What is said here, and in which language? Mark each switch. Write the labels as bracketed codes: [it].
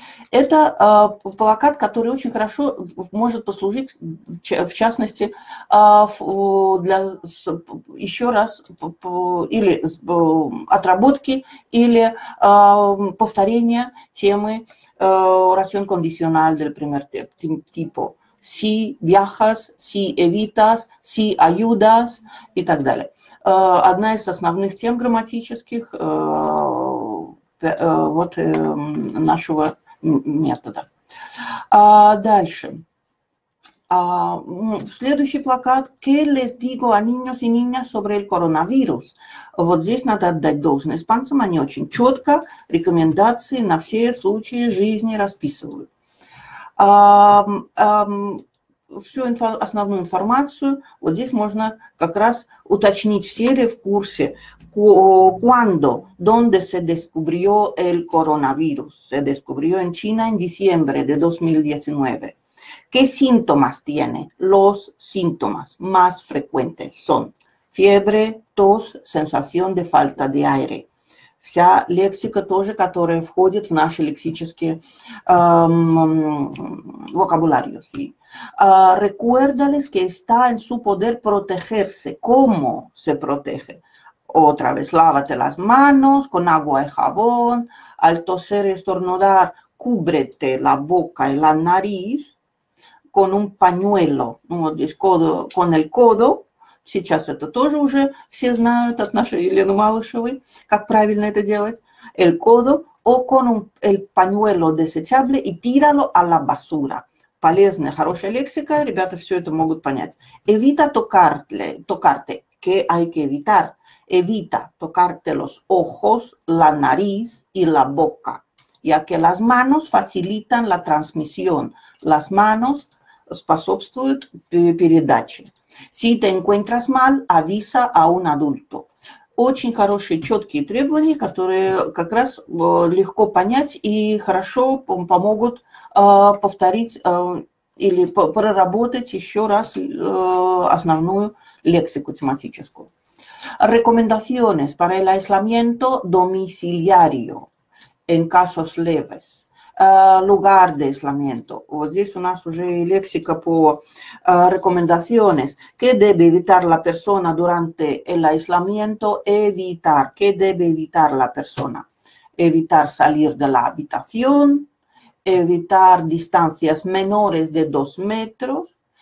[ru] Это плакат, который очень хорошо может послужить, в частности, отработки или повторения темы [es] oración condicional del primer tipo. Si viajas, si evitas, si ayudas [ru] и так далее. Одна из основных тем грамматических нашего метода. Дальше. Следующий плакат. [es] ¿Qué les digo a niños y niñas sobre el coronavirus? [ru] Вот здесь надо отдать должное испанцам. Они очень четко рекомендации на все случаи жизни расписывают. Всю основную информацию вот здесь можно как раз уточнить, все ли в курсе. [es] Cuando, dónde se descubrió el coronavirus? Se descubrió en China en diciembre de 2019. ¿Qué síntomas tiene? Los síntomas más frecuentes son fiebre, tos, sensación de falta de aire. [ru] Вся лексика тоже, которая входит в наши лексические vocabulario. [es] Sí. Recuérdales que está en su poder protegerse. ¿Cómo se protege? Otra vez, lávate las manos con agua y jabón. Al toser y estornudar, cúbrete la boca y la nariz con un pañuelo, con el codo. [ru] Сейчас это тоже уже все знают от нашей Елены Малышевой, как правильно это делать. [es] El codo o con el pañuelo desechable y tíralo a la basura. [ru] Полезная, хорошая лексика, ребята все это могут понять. [es] Evita tocarte, que hay que evitar. Evita tocarte los ojos, la nariz y la boca, ya que las manos facilitan la transmisión. Las manos [ru] способствуют передаче. [es] Si te encuentras mal, avisa a un adulto. [ru] Очень хорошие, четкие требования, которые как раз легко понять и хорошо помогут повторить или проработать еще раз основную лексику тематическую. [es] Recomendaciones para el aislamiento domiciliario en casos leves. Lugar de aislamiento. [ru] Вот здесь у нас уже лексика по recomendaciones. [es] ¿Qué debe evitar la persona durante el aislamiento? Evitar. ¿Qué debe evitar la persona? Evitar salir de la habitación. Evitar distancias menores de 2 metros.